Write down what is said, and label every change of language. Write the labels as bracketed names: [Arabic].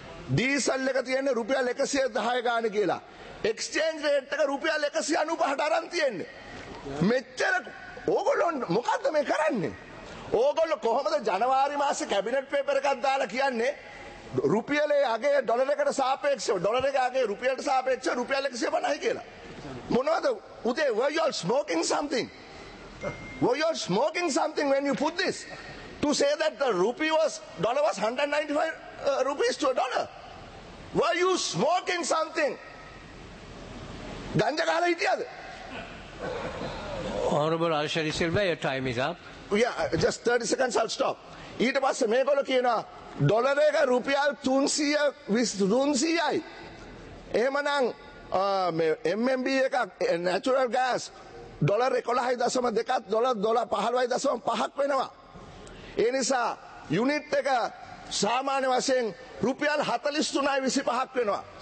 [Sinhala] Diesel එක තියෙන්නේ රුපියල් 110 ගාන කියලා. එක්ස්චේන්ජ් රේට් එක රුපියල් 195ට අරන් තියෙන්නේ. මෙච්චර ඕගොල්ලෝ මොකද්ද මේ කරන්නේ? ඕගොල්ලෝ කොහොමද ජනවාරි මාසේ කැබිනට් පේපර් එකක් දාලා කියන්නේ රුපියලේ අගය ඩොලරයකට සාපේක්ෂව, ඩොලරයේ අගය රුපියලට සාපේක්ෂව රුපියල් 150යි කියලා? මොනවද උදේ [English] were you all smoking something? Were you all smoking something when you put this? To say that the rupee was dollar was 195 rupees to a dollar. Were you smoking something? [Sinhala] ගංජා කාලා හිටියද? [English] Honorable Ashari Silva, your time is up. Yeah, just 30 seconds, I'll stop. [Sinhala] ඊට පස්සේ මේගොල්ලෝ කියනවා ඩොලර එක රුපියල් 320යි. එහෙමනම් මේ MMB එකක් natural gas ඩොලර 11.2ක් ඩොලර 15.5ක් වෙනවා. ඒ නිසා යුනිට් එක සාමාන්‍ය වශයෙන් රුපියල් 43.25ක් වෙනවා.